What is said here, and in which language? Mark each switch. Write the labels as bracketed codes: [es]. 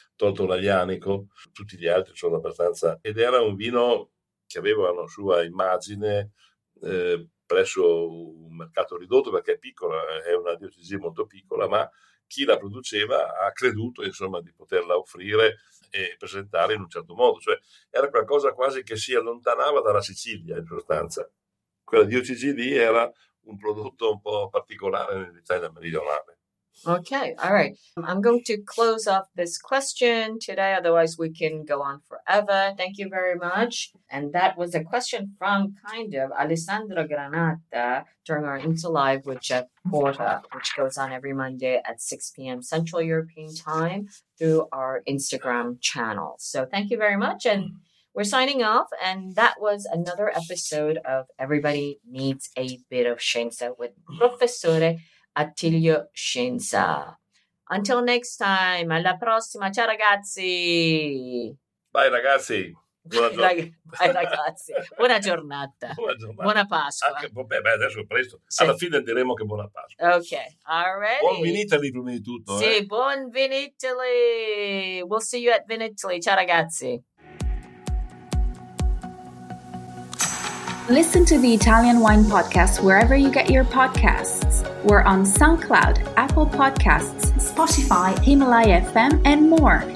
[it] Tolto l'Aglianico, tutti gli altri sono abbastanza... Ed era un vino che aveva la sua immagine presso un mercato ridotto, perché è piccola, è una diocesi molto piccola, ma chi la produceva ha creduto, insomma, di poterla offrire e presentare in un certo modo. Cioè, era qualcosa quasi che si allontanava dalla Sicilia, in sostanza. Quella DOCG lì era un prodotto un po' particolare nell'Italia meridionale. [en] Ok, all right. I'm going to close off this question today, otherwise we can go on forever. Thank you very much. And that was a question from kind of Alessandro Granata during our Insta Live with Jeff Porta, which goes on every Monday at 6 p.m. Central European Time through our Instagram channel. So thank you very much. And we're signing off. And that was another episode of Everybody Needs a Bit of Scienza with Professore Attilio Scienza. Until next time, [it] alla prossima, ciao ragazzi! Bye ragazzi! Buona giornata. Buona Pasqua. Adesso è presto. Sì. Alla fine diremo che buona Pasqua. [en] Ok, alright. [it] Buon Vinitaly prima di tutto. Sì, buon Vinitaly. [en] We'll see you at Vinitaly. [it] Ciao ragazzi. [en] Listen to the Italian Wine Podcast wherever you get your podcasts. We're on SoundCloud, Apple Podcasts, Spotify, Himalaya FM, and more.